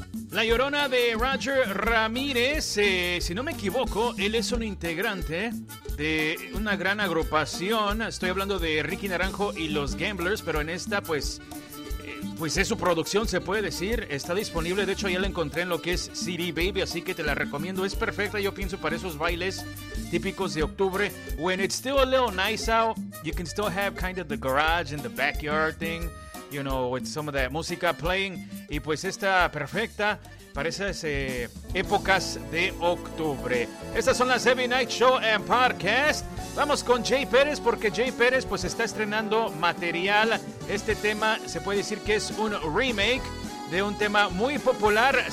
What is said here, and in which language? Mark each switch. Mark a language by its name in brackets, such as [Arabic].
[Spanish] La Llorona de Roger Ramírez, si no me equivoco, él es un integrante de una gran agrupación. Estoy hablando de Ricky Naranjo y los Gamblers, pero en esta, pues es su producción, se puede decir. Está disponible, de hecho, ya la encontré en lo que es CD Baby, así que te la recomiendo. Es perfecta, yo pienso, para esos bailes típicos de octubre. [English] When it's still a little nice out, you can still have kind of the garage and the backyard thing, you know, with some of that música playing. [Spanish] Y pues está perfecta para esas épocas de octubre. Estas son las Heavy Night Show and Podcast. Vamos con Jay Pérez, porque Jay Pérez pues está estrenando material. Este tema se puede decir que es un remake de un tema muy popular.